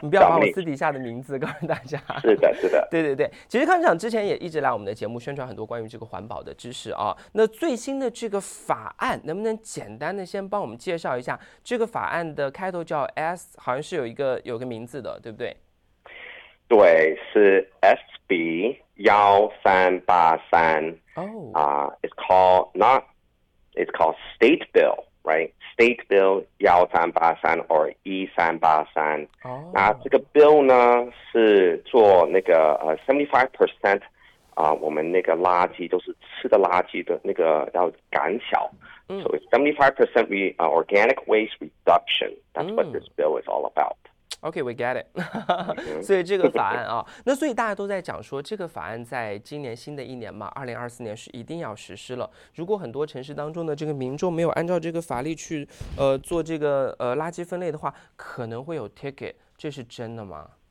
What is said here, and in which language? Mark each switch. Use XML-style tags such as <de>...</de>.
<zh>你不要把我私底下的名字告诉大家。是的是的。对对对。其实康市长之前也一直来我们的节目宣传很多关于这个环保的知识啊。那最新的这个法案能不能简单的先帮我们介绍一下，这个法案的开头叫 S， 好像是有个名字的，对不对？对，是</zh> <en>SB1383 it's called State Bill, right? State Bill 1383 or 1383.</en> <zh>那这个 bill 呢是做那个75% 我们那个垃圾都是吃的垃圾的那个要减少。</zh> <en>So it's 75% organic waste reduction. That's what this bill is all about. OK, we get it.</en> <zh>所以这个法案啊，那所以大家都在讲说这个法案在今年新的一年嘛，2024年是一定要实施了。如果很多城市当中的这个民众没有按照这个法律去做这个垃圾分类的话，可能会有 ticket， 这是真的吗？</zh>